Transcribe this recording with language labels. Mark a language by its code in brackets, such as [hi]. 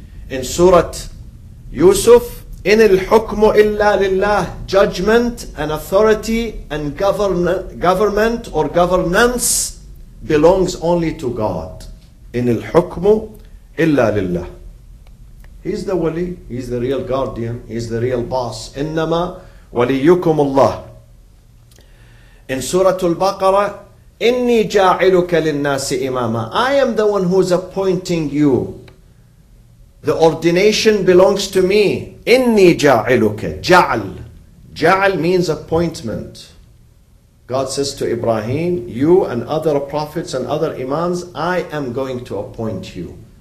[en] In Surah Yusuf, [ar] إن الحكم إلا لله, [en] judgment and authority and government or governance belongs only to God. [ar] إن الحكم إلا لله. [en] He's the wali, he's the real guardian, he's the real boss. [ar] إِنَّمَا وَلِيُّكُمُ اللَّهِ. [en] In Surah Al-Baqarah, [ar] إِنِّي جَاعِلُكَ لِلنَّاسِ إِمَامًا. [en] I am the one who's appointing you. The ordination belongs to me. [ar] إِنِّي جَاعِلُكَ. جَعَل. [en] جَعَل means appointment. God says to Ibrahim, you and other prophets and other imams, I am going to appoint you.